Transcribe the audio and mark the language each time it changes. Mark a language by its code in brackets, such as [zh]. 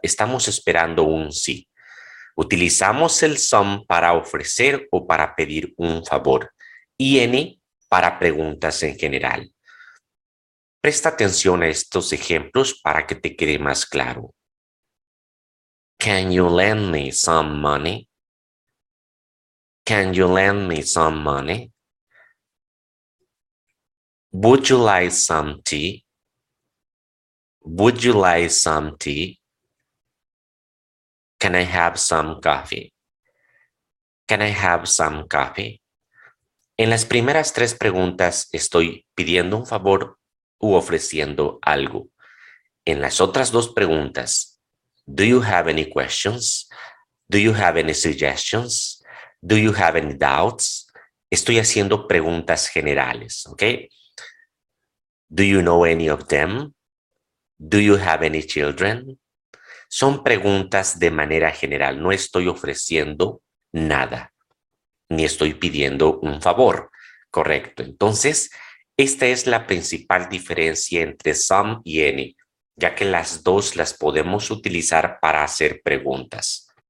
[es] Estamos esperando un sí. Utilizamos el some para ofrecer o para pedir un favor. Y any para preguntas en general. Presta atención a estos ejemplos para que te quede más claro. [en] Can you lend me some money? Can you lend me some money? Would you like some tea? Would you like some tea? Can I have some coffee? Can I have some coffee? [es] En las primeras tres preguntas estoy pidiendo un favor u ofreciendo algo. En las otras dos preguntas, [en] do you have any questions? Do you have any suggestions? Do you have any doubts? [es] Estoy haciendo preguntas generales, ¿ok? [en] Do you know any of them? Do you have any children? [es] Son preguntas de manera general. No estoy ofreciendo nada, ni estoy pidiendo un favor. Correcto. Entonces, Esta es la principal diferencia entre some y any, ya que las dos las podemos utilizar para hacer preguntas.